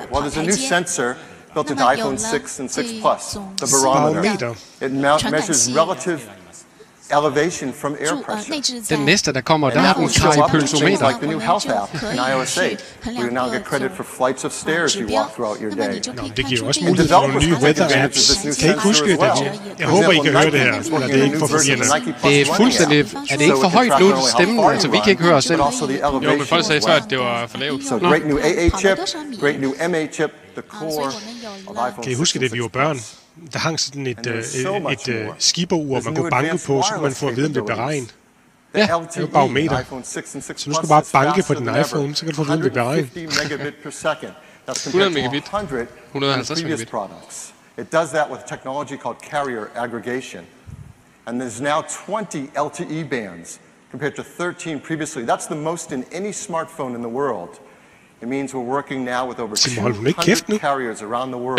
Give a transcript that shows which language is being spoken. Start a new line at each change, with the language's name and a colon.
English: Well, there's a new sensor built into iPhone 6 and 6 Plus, the barometer. It measures relative elevation from air pressure.
Danish: Den næste, der kommer, der er den kardiopulsometer.
English: Like the new health app in iOS 8, where you now get credit for flights of stairs you walk throughout your day.
Danish: Det giver også mulighed for nogle nye weather apps. Kan I ikke huske det? Jeg håber, I kan høre det her, eller det er ikke for forvirrende. Det er fuldstændig, er det ikke for højt nu, stemmen? Altså, vi kan ikke høre os selv. Jo, men folk sagde så, at det var for lavt.
English: So, great new AA chip, great new MA chip, the core of iPhone 6.
Danish: Kan I huske det, vi var børn? Der hang sådan et skibeur, man kunne banke på, så kunne man få at vide, om det blev regn. Ja, det var barometer. Så nu skal du bare banke på din iPhone, så kan du få at vide, om det blev regn.
English: 100 megabit. 150 megabit. It does that with technology called carrier aggregation. And there's now 20 LTE bands, compared to 13 previously. That's the most in any smartphone in the world. It means we're working now with over 200 carriers around the world.